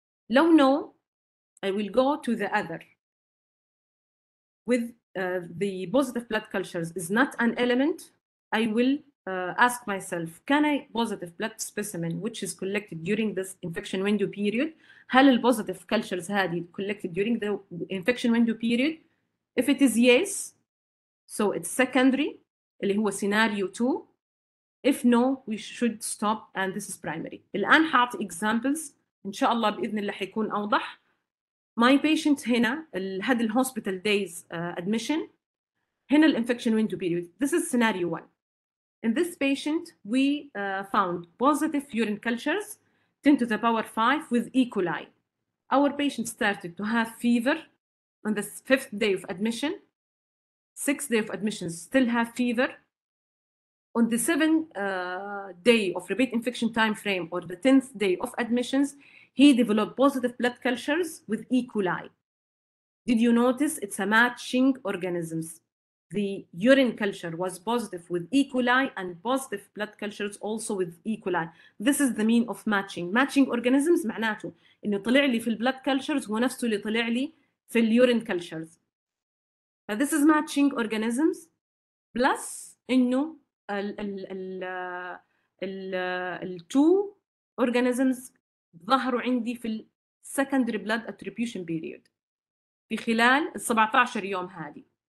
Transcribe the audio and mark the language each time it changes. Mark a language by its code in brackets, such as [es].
[en] لو no, I will go to the other. With the positive blood cultures is not an element, I will ask myself, can I positive blood specimen which is collected during this infection window period, [ar] هل ال [en] positive cultures [ar] هذه [en] collected during the infection window period? If it is yes, so it's secondary, [ar] اللي هو [en] scenario 2. If no, we should stop and this is primary. [ar] الآن حاعطي examples إن شاء الله بإذن الله حيكون أوضح. [en] My patient [ar] هنا [en] had the hospital days admission, هنا the infection window period. This is scenario 1. In this patient, we found positive urine cultures, 10 to the power 5 with E. coli. Our patient started to have fever on the fifth day of admission. Sixth day of admission, still have fever. On the seventh day of repeat infection time frame or the 10th day of admissions, he developed positive blood cultures with E. coli. Did you notice it's a matching organisms? The urine culture was positive with E. coli and positive blood cultures also with E. coli. This is the mean of matching. Matching organisms [ar] معناته إنه طلع لي في [en] blood cultures [ar] هو نفسه اللي طلع لي في [en] urine cultures. But this is matching organisms plus [ar] إنه ال [en] two organisms [ar] ظهروا عندي في [en] secondary blood attribution period [ar] في خلال 17 يوم هذه.